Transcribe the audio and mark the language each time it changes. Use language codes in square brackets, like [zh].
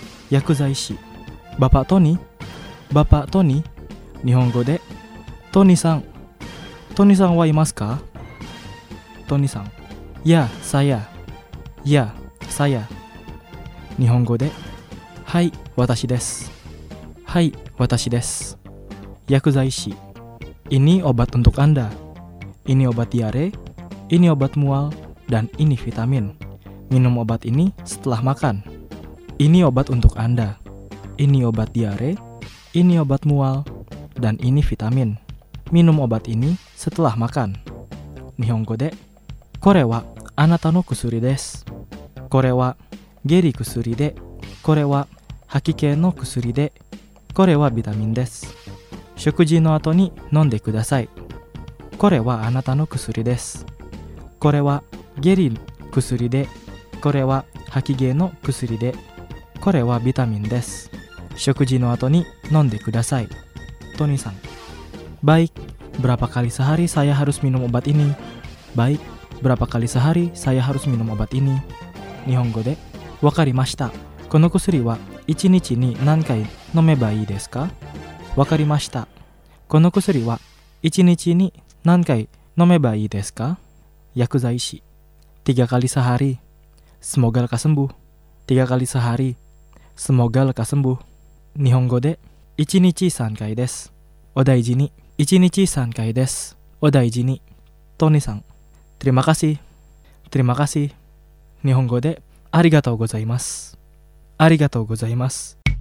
[ja] 薬剤師バパトニー、バパトニー、日本語でトニーさん、トニーさんはいますか。トニーさん、いや、さや、いや、さや、日本語で、はい、私です。はい、私です。 [id] 薬剤師、ini obat untuk anda, ini obat diare, ini obat mual, dan ini vitamin. Minum obat ini setelah makan. Ini obat untuk anda, ini obat diare, ini obat mual, dan ini vitamin. Minum obat ini setelah makan. [ja] 日本語で、これはあなたの薬です。これは下痢薬で、これは吐き気の薬で、これはビタミンです。食事の後に飲んでください。これはあなたの薬です。これは下痢薬で、これは吐き気の薬で、これはビタミンです。食事の後に飲んでください。トニーさん。 [id] Baik, berapa kali sehari saya harus minum obat ini? Baik. Berapa kali sehari saya harus minum obat ini? [ja] 日本語で、わかりました。この薬は1日に何回飲めばいいですか？わかりました。この薬は1日に何回飲めばいいですか？ [id] 薬剤師、3 kali sehari. Semoga lekas sembuh. 3 kali sehari. Semoga lekas sembuh. [ja] 日本語で、1日3回です。お大事に。 1日3回です。お大事に。 [id] トニーさん、terima kasih, terima kasih. [ja] 日本語でありがとうございます、ありがとうございます。